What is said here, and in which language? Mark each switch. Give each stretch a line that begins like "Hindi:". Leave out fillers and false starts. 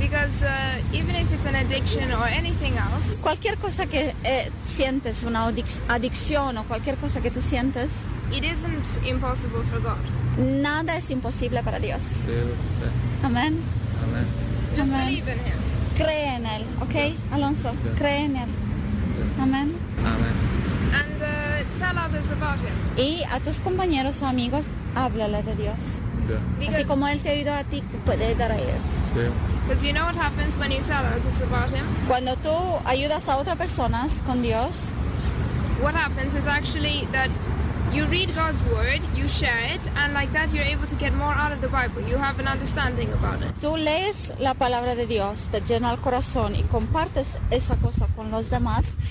English: Because even if it's an addiction or anything else.
Spanish: Cualquier cosa que sientes, una adicción o cualquier cosa que tú sientes.
English: It isn't impossible for God.
Spanish: Nada es imposible para Dios. Sí, sí, sí. Amén. Amén.
English: Just believe in Him.
Spanish: Cree en Él, ¿ok?
English: Yeah. Alonso, yeah.
Spanish: Cree en Él.
English: Yeah.
Spanish: Amén. Amén.
English: And tell others about him.
Spanish: Y a tus compañeros o amigos, háblale de Dios.
English: Yeah.
Spanish: Así como Él te ayudó a ti, puede ayudar a ellos.
English: Because you know what happens when you tell others about him.
Spanish: Cuando tú ayudas a otras personas con Dios,
English: what happens is actually that you read God's word, you share it, and like that you're able to get more out of the Bible. You have an understanding about it.
Spanish: Tú lees la palabra de Dios, te llena el corazón y compartes esa cosa con los demás.